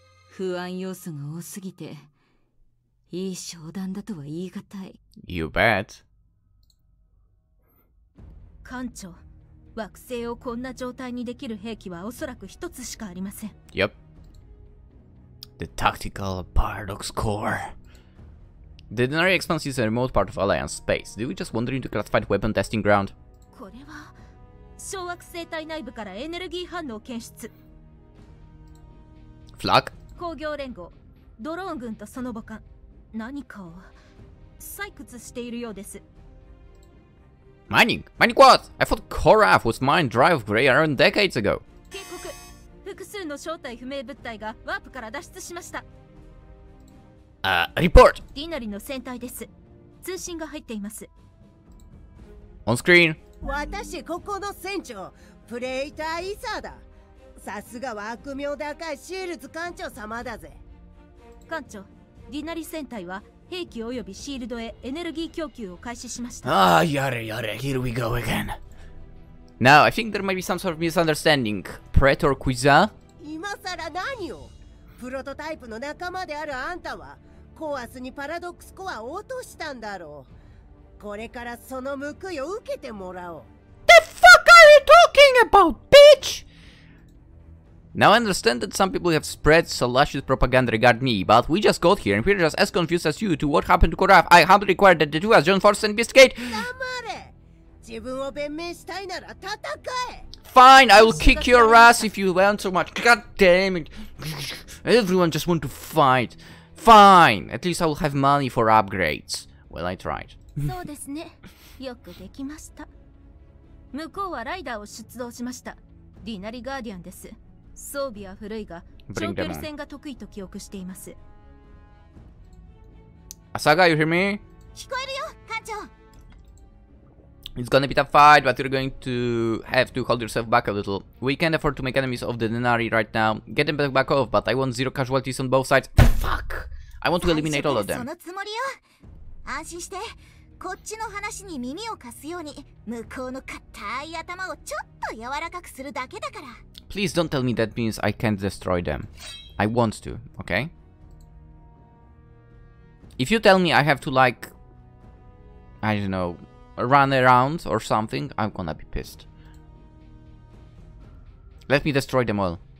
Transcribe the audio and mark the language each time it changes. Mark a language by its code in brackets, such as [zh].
[ja] 不安要素が多すぎて、いい商談だとは言い難い。 [en] You bet. [ja] 艦長、惑星をこんな状態にできる兵器はおそらく一つしかありません。 [en] Yep. The tactical paradox core. The Denari Expanse is a remote part of Alliance space. Did we just wander into classified weapon testing ground? [ja] これは小惑星体内部からエネルギー反応検出。フラッグ。工業連合、ドローン軍とその母艦、何かを採掘しているようです。 [en] Mining? Mining what? I thought Korath was mined dry of gray iron decades ago. [ja] 警告、複数の正体不明物体がワープから脱出しました。 [en] Report! [ja] ディナリの船体です。通信が入っています。 [en] On screen! [ja] 私、ここの船長、プレイターイサーだ。さすがは悪名高いシールズ艦長様だぜ。艦長、ディナリ船体は兵器およびシールドへエネルギー供給を開始しました。ああ、やれやれ、 [en] here we go again. Now, I think there might be some sort of misunderstanding. Praetor Quiza? [ja] 今更何を? プロトタイプの仲間であるあんたはコアスにパラドックスコアを落としたんだろう。これからその報いを受けてもらおう。 [en] The fuck are you talking about, bitch? Now I understand that some people have spread salacious propaganda regarding me, but we just got here and we're just as confused as you to what happened to Korath. I humbly require that the two as joint forces investigate. [ja] 黙れ。自分を弁明したいなら戦え。 [en] Fine, I will kick your ass if you learn so much. God damn it. Everyone just want to fight. Fine, at least I will have money for upgrades. Well, I tried. [ja] そうですね。よくできました。向こうはライダーを出動しました。ディナリガーディアンです。装備は古いが、長距離戦が得意と記憶しています。 [en] Asaga, you hear me? [ja] 聞こえるよ、艦長。 [en] It's gonna be a fight, but you're going to have to hold yourself back a little. We can't afford to make enemies of the Denari right now. Get them back off, but I want zero casualties on both sides. Fuck! I want to eliminate all of them. [ja] そのつもりよ。安心して。こっちの話に耳を貸すように、向こうの硬い頭をちょっと柔らかくするだけだから。 [en] Please don't tell me that means I can't destroy them. I want to, okay? If you tell me I have to, like... I don't know... run around or something, I'm gonna be pissed. Let me destroy them all.